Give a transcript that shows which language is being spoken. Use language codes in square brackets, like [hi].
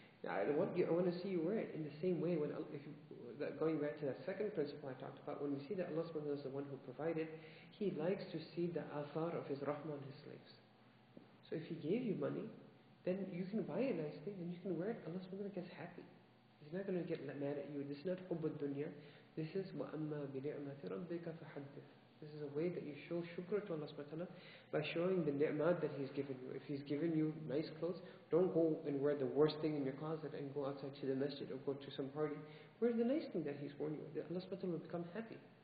[en] I want to see you wear it." In the same way, going back to that second principle I talked about, when we see that Allah subhanahu wa ta'ala is the one who provided, He likes to see the athar of His rahmah on His slaves. So if He gave you money, then you can buy a nice thing and you can wear it. Allah subhanahu wa ta'ala gets happy. He's not going to get mad at you. This is not hubbud dunya. This is [ar] وَأَمَّا بِنِعْمَةِ رَبِّكَ فَحَدِّثِ. [en] This is a way that you show shukr to Allah subhanahu wa ta'ala by showing the ni'mat that He's given you. If He's given you nice clothes, don't go and wear the worst thing in your closet and go outside to the masjid or go to some party. Wear the nice thing that He's worn you. Allah subhanahu wa ta'ala will become happy.